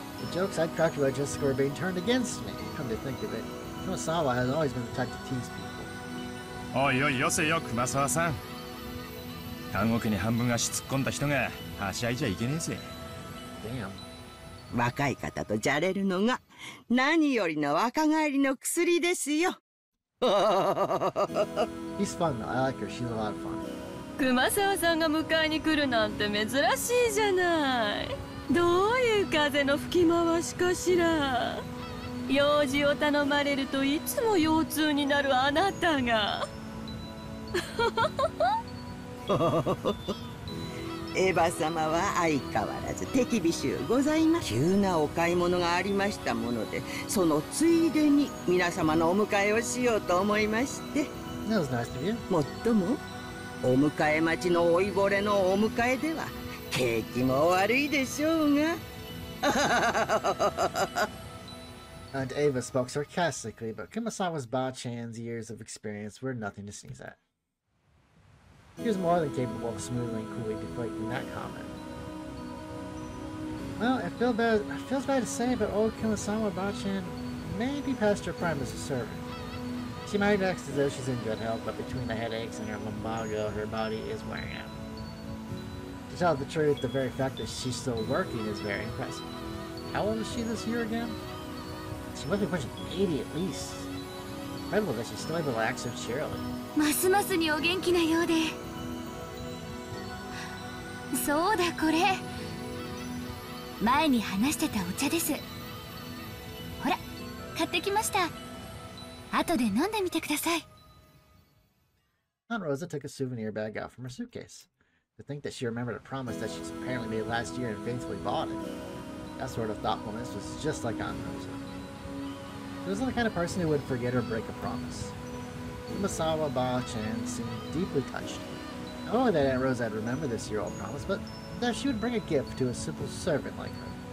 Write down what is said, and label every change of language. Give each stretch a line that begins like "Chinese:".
English: The jokes I'd crack about Jessica were being turned against me, come to think of it. Kumasawa has always been the type to tease people.
Japanese: おいおい、よせよ、クマサワさん。単語に半分足突っ込んだ人が足合いじゃいけねえぜ。若い方とじゃれるのが何よりの若返りの薬ですよ。
English: He's fun though. I like her. She's a lot of fun.
Japanese: 熊沢さんが迎えに来るなんて珍しいじゃない。どういう風の吹き回しかしら。用事を頼まれるといつも腰痛になるあなたが。エヴァ様は相変わらず手厳しゅうございます。急なお買い物がありましたもので、そのついでに皆様のお迎えをしようと思いまして。
English: That was nice of you.
Japanese: もっともお迎え待ちの老いぼれのお迎えでは景気も悪いでしょうが。
English: And Ava spoke sarcastically, but Kumasawa's Ba-chan's years of experience were nothing to sneeze at. He was more than capable of smoothly and coolly deflecting that comment. Well, it feels bad to say, but old Kumasawa Ba-chan may be past her prime as a servant. She might act as though she's in good health, but between the headaches and her lumbago, her body is wearing out. To tell the truth, the very fact that she's still working is very impressive. How old is she this year again? She must be pushing 80 at least. Incredible that she's still able to act so cheerily.
Japanese: ますますにお元気なようで。そうだ、これ前に話してたお茶です。ほら、買ってきました。後で飲んでみてください。
English: Aunt Rosa took a souvenir bag out from her suitcase. To think that she remembered a promise that she's apparently made last year and faithfully bought it. That sort of thoughtfulness was just like Aunt Rosa. She wasn't the kind of person who would forget or break a promise. Umasawa Ba-chan seemed deeply touched. Not only that Aunt Rosa had remembered this year-old promise, but that she would bring a gift to a simple servant like her.